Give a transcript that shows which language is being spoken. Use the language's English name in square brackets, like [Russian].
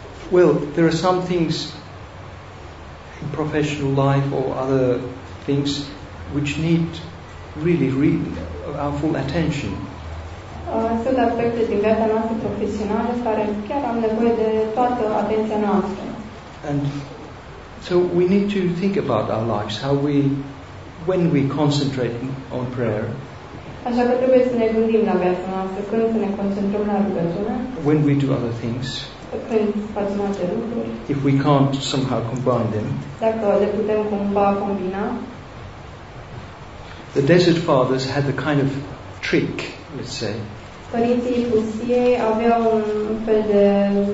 [English] Well, there are some things in professional life or other things which need really, really our full attention. [Romanian] Sunt aspecte din viața noastră profesională care chiar am nevoie de toată atenția noastră. [English] And so we need to think about our lives, how we, when we concentrate on prayer. [Romanian] Așa că trebuie să ne gândim la viața noastră, când să ne concentrăm la rugăciune. [English] When we do other things. [Romanian] Când facem alte lucruri. [English] If we can't somehow combine them. [Romanian] Dacă le putem cumva combina. [English] The Desert Fathers had a kind of trick, let's say. [Romanian] Părinții pustiei aveau un fel de